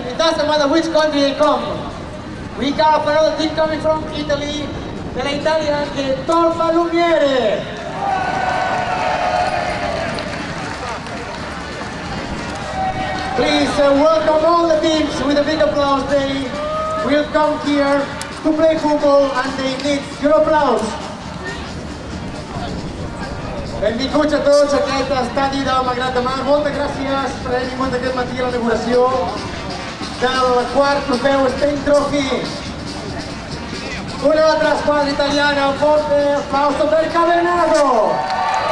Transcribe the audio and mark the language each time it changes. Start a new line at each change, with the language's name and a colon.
English: It doesn't matter which country they come. We got another team coming from Italy,
Italian: della Italia, anche Torfa Lumiere.
English: Please welcome all the teams with a big applause. They will come here to play football and they need your applause.
Catalan: Benvinguts a tots a aquest estadi del Magrat de Mar. Moltes gràcies per haver vingut aquest matí a la inauguració del quart trofeu Spain Trophy.
Italian: Una altra squadra italiana, un forte applauso per Cavernato.